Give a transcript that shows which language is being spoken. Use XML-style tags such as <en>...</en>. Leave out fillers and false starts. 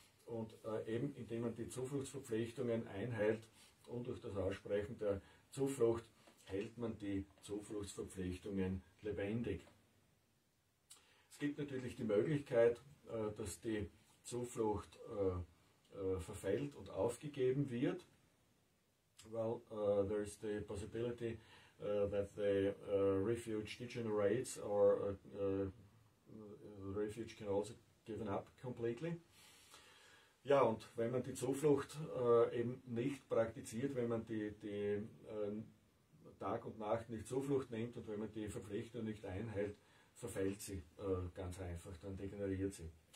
<de>Und eben indem man die Zufluchtsverpflichtungen einhält und durch das Aussprechen der Zuflucht hält man die Zufluchtsverpflichtungen lebendig. Es gibt natürlich die Möglichkeit, dass die Zuflucht verfällt und aufgegeben wird.</de> <en>Well, there is the possibility that the refuge degenerates, or the refuge can also given up completely.</en> <de>Ja, und wenn man die Zuflucht eben nicht praktiziert, wenn man die Tag und Nacht nicht Zuflucht nimmt und wenn man die Verpflichtung nicht einhält, verfällt sie ganz einfach, dann degeneriert sie.</de>